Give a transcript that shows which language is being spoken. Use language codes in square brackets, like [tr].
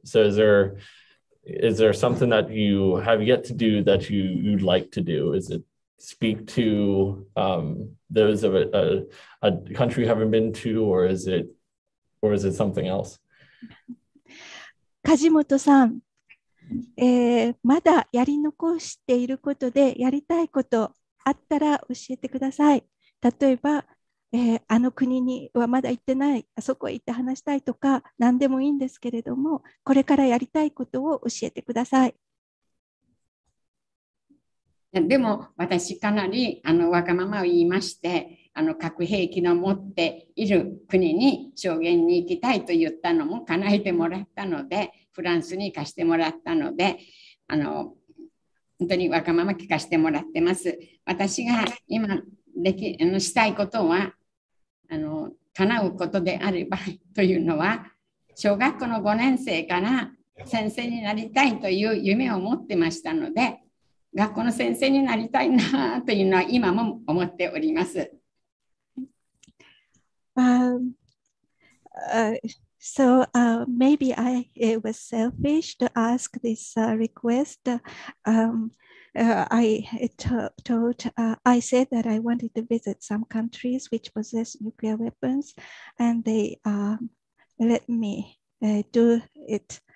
[en] So is there something that you have yet to do that you'd like to do? Is it speak to those of a country you haven't been to, or is it something else? Kajimoto-san. [ja] まだやり残していることでやりたいことあったら教えてください。例えば、あの国にはまだ行ってない、あそこへ行って話したいとか何でもいいんですけれども、これからやりたいことを教えてください。でも私かなりわがままを言いまして、核兵器の持っている国に証言に行きたいと言ったのも叶えてもらったのでフランスに行かせてもらったので本当にわがまま聞かせてもらってます。私が今したいことはあの叶うことであればというのは小学校の5年生から先生になりたいという夢を持ってましたので学校の先生になりたいなというのは今も思っております。 [en] So maybe it was selfish to ask this request. I said that I wanted to visit some countries which possess nuclear weapons, and they let me do it.